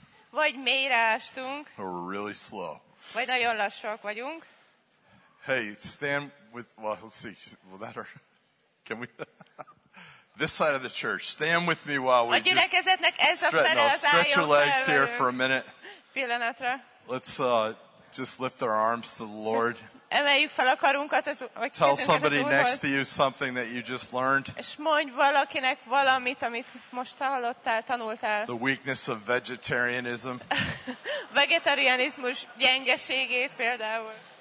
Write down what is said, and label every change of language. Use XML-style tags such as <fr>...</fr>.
<hu>Vagy mélyre ástunk.</hu> <en>Or we're really slow.</en> <hu>Vagy nagyon lassúak vagyunk.</hu> <en>Hey, stand with. Well, let's see. Will that hurt? Can we? This side of the church. Stand with me while we.</en> <hu>A gyülekezetnek ez a fele, az</hu> <en>stretch your legs here for a minute.</en> <hu>Pillanatra.</hu> <en>Let's just lift our arms to the Lord.</en> <hu>Emeljük fel a karunkat az Úrhoz.</hu> <en>Tell somebody next to you something that you just learned.</en> <hu>És mondj valakinek valamit, amit most hallottál, tanultál.</hu> <en>The weakness of vegetarianism.</en> <hu>Vegetarianizmus gyengeségét például.</hu>